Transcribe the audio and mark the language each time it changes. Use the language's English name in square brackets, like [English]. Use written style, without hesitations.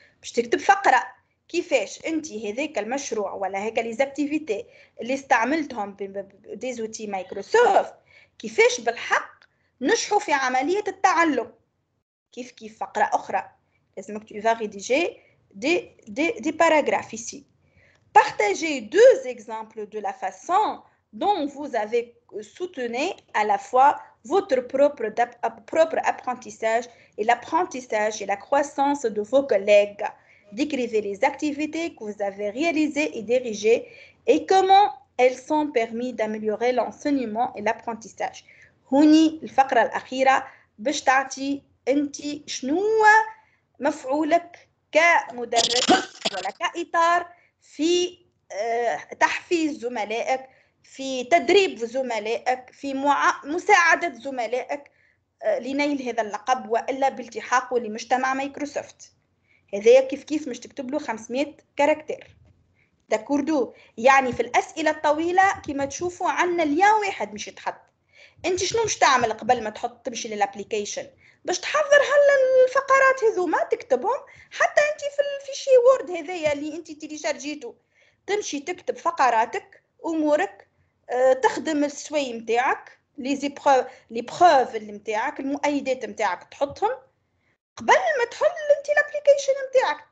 [Arabic] باش تكتب فقره كيفاش انت هذاك المشروع ولا هكا لي زاكتيفيتي اللي استعملتهم دي زوتي مايكروسوفت كيفاش بالحق نجحوا في عمليه التعلم. كيف كيف فقره اخرى لازمك تو فاريديجي دي باراغراف ici. [French] Partagez deux exemples de la façon dont vous avez soutenu à la fois votre propre apprentissage et l'apprentissage et la croissance de vos collègues. Décrivez les activités que vous avez réalisées et dirigées et comment elles ont permis d'améliorer l'enseignement et l'apprentissage. [Arabic] Huni l'fakra l'akhira bish ta'ti enti chnoua maf'oulak ka mudarris wala ka itar fi tahfiz zumalaik في تدريب زملائك في مساعدة زملائك لنيل هذا اللقب وإلا بالتحاقه لمجتمع مايكروسوفت. هذا كيف كيف مش تكتب له 500 كاركتر داكوردو. يعني في الأسئلة الطويلة كما تشوفوا عنا اليوم واحد مش يتحط. انت شنو مش تعمل قبل ما تحط تمشي للابليكيشن باش تحضر هلا الفقرات هذو ما تكتبهم حتى انت في شي وورد هذايا اللي انت تيليشارجيتو تمشي تكتب فقراتك أمورك تخدم السوي متاعك لبخوف اللي متاعك المؤيدات متاعك تحطهم قبل ما تحل انت الابليكيشن متاعك.